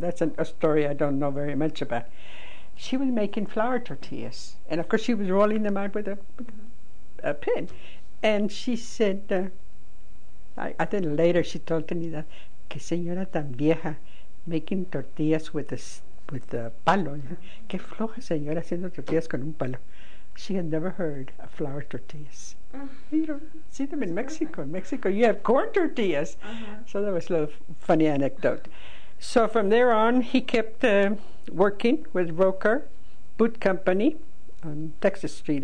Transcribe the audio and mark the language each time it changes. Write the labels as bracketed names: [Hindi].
[English] That's a story I don't know very much about. She was making flour tortillas. And, of course, she was rolling them out with a pin. And she said, I think later she told Trinidad, [Spanish] "Que señora tan vieja, [English] making tortillas with a, with the palo. [Spanish] Qué floja señora haciendo tortillas con un palo. [English] She had never heard of flour tortillas. You don't see them in Mexico. In Mexico, you have corn tortillas. Uh-huh. So that was a little funny anecdote. So from there on, he kept working with Roker Boot Company on Texas Street.